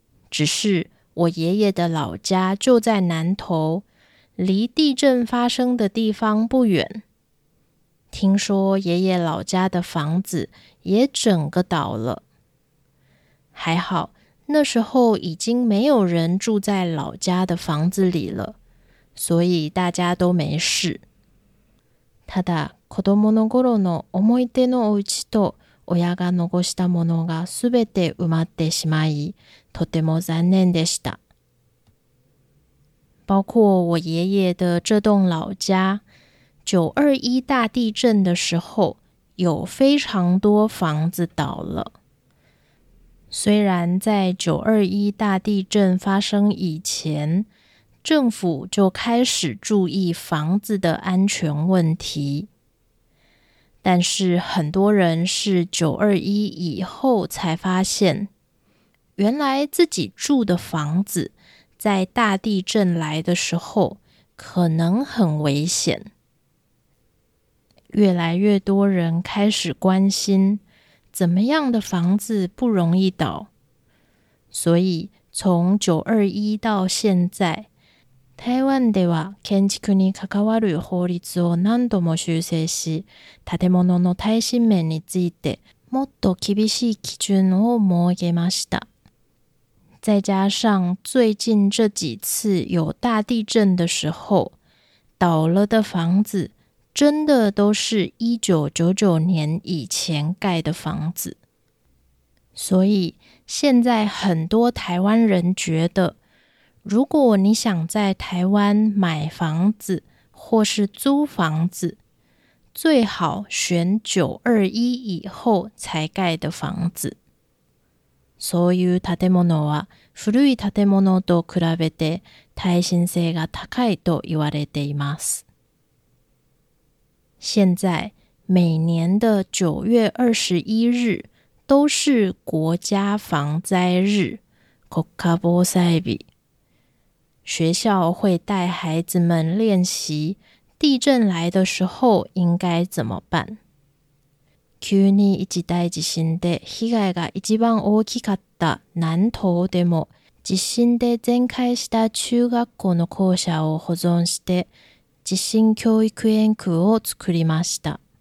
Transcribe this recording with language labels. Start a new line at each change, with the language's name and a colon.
Chinese: 只是我爷爷的老家就在南投，离地震发生的地方不远。听说爷爷老家的房子也整个倒了。还好，那时候已经没有人住在老家的房子里了，所以大家都没事。
Japanese: ただ、子供の頃の思い出のお家と親が残したものがすべて埋まってしまい、とても残念でした。
Chinese: 包括我爷爷的这栋老家，921大地震的时候，有非常多房子倒了。虽然在921大地震发生以前，政府就开始注意房子的安全问题，但是很多人是921以后才发现，原来自己住的房子在大地震来的时候可能很危险。越来越多人开始关心怎么样的房子不容易倒。所以从921到现在，
Japanese: 台湾では建築に関わる法律を何度も修正し、建物の耐震面についてもっと厳しい基準を設けました。
Chinese: 再加上最近这几次有大地震的时候，倒了的房子真的都是1999年以前盖的房子。所以现在很多台湾人觉得，如果你想在台湾买房子或是租房子，最好选921以后才盖的房子。
Japanese: そういう建物は古い建物と比べて耐震性が高いと言われています。
Chinese: 现在每年的9月21日都是国家防灾日，国家防災日。学校会带孩子们练习地震来的时候应该怎么办。
Japanese: 急に一大地震で被害が一番大きかった南東でも、地震で全壊した中学校の校舎を保存して地震教育園区を作りました。